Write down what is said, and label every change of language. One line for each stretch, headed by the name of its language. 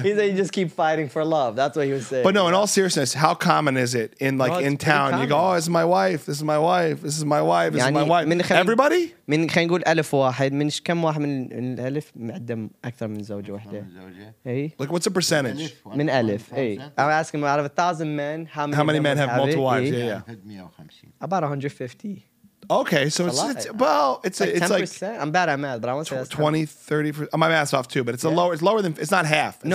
English: He said you just keep fighting for love. That's what he was saying. But no, in all seriousness, how common is it in like in town? You go, oh, it's my wife. This is my wife. This is my wife. This is my wife. Everybody?
Arabic: من خلينا نقول ألف واحد من كم واحد من الألف مقدم أكثر من زوجة واحدة؟
English: Like what's the percentage?
Arabic: من ألف.
English: I'm asking out of 1,000 men, how many men have multiple wives? Yeah. About 150. Okay, so it's like 10%. I'm bad at math, but I want to say 20, 30%. My math's off too, but it's lower. It's lower than. It's not half. It's